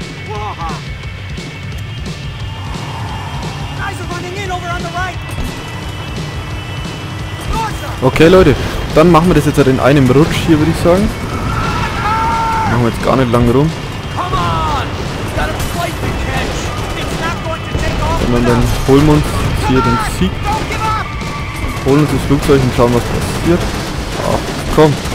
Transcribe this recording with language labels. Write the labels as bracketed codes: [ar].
[en] Guys are running in over on the right! [de] Okay, Leute, dann machen wir das jetzt halt in einem Rutsch hier, würde ich sagen. Machen wir jetzt gar nicht lange rum. [en] Come on! We've got a flight to catch! It's not going to take off! [de] Und dann holen wir uns hier den Sieg. Holen uns das Flugzeug und schauen, was passiert. Ach, komm!